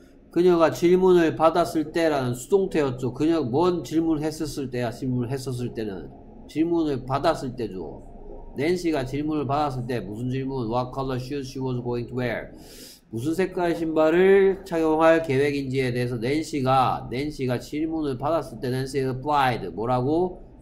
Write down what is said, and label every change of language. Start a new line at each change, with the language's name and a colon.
Korean: 그녀가 질문을 받았을 때라는 수동태였죠. 그녀가 뭔 질문을 했었을 때야? 질문을 했었을 때는 질문을 받았을 때죠. Nancy가 질문을 받았을 때 무슨 질문?
English: What color shoes she was going to wear?
Korean: 무슨 색깔 신발을 착용할 계획인지에 대해서 낸시가 질문을 받았을 때 낸시 replied 뭐라고?